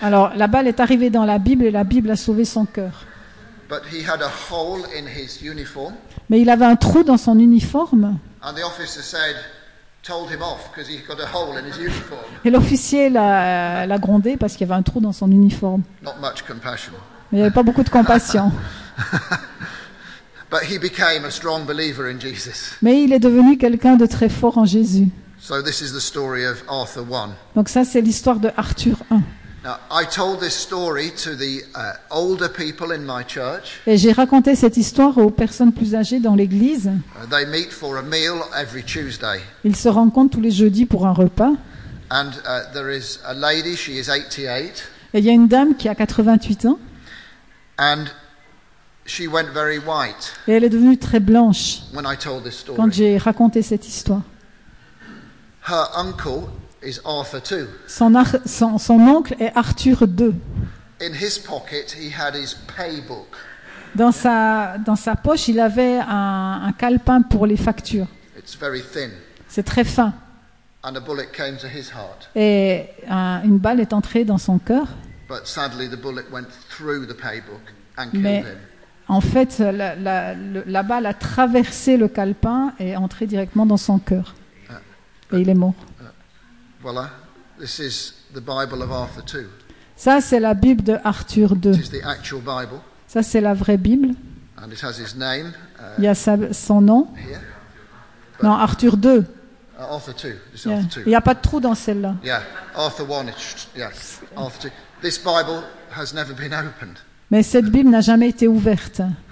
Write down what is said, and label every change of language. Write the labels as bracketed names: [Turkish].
[French] Alors, la balle est arrivée dans la Bible et la Bible a sauvé son cœur. [English] But he had a hole in his uniform. [French] Mais il avait un trou dans son uniforme. [English] And the officer said, told him off because he got a hole in his uniform. [French] Et l'officier l'a grondé parce qu'il y avait un trou dans son uniforme. [English] Not much compassion. [French] Il n'y avait pas beaucoup de compassion. [English] But he became a strong believer in Jesus. [French] Mais il est devenu quelqu'un de très fort en Jésus. [English] So this is the story of Arthur One. [French] Donc ça c'est l'histoire de Arthur 1. [English] Now, I told this story to the older people in my church. [French] Et j'ai raconté cette histoire aux personnes plus âgées dans l'église. [English] They meet for a meal every Tuesday. [French] Ils se rencontrent tous les jeudis pour un repas. [English] And there is a lady, she is 88. [French] Et il y a une dame qui a 88 ans. [English] And she went very white. [French] Et elle est devenue très blanche. [English] When I told this story. [French] Quand j'ai raconté cette histoire. [English] Her uncle is Arthur II. [French] Son oncle est Arthur II. [English] In his pocket, he had his pay book. [French] Dans sa poche, il avait un calepin pour les factures. [English] It's very thin. [French] C'est très fin. [English] And a bullet came to his heart. [French] Et une balle est entrée dans son cœur. [English] But sadly, the bullet went through the pay book and [French] Mais [English] killed him. [French] En fait, la balle a traversé le calepin et est entrée directement dans son cœur. Et il est mort. Voilà. [English] This is the Bible of Arthur II. [French] Ça, c'est la Bible de Arthur II. [English] It is the actual Bible. [French] Ça, c'est la vraie Bible. [English] And it has his name, [French] il y a son nom. Non, Arthur II. [English] Arthur II. Yeah. [French] Arthur II. Il n'y a pas de trou dans celle-là. [English] Yeah. Arthur I. Yes. Arthur II. This Bible has never been opened. [French] Mais cette Bible n'a jamais été ouverte.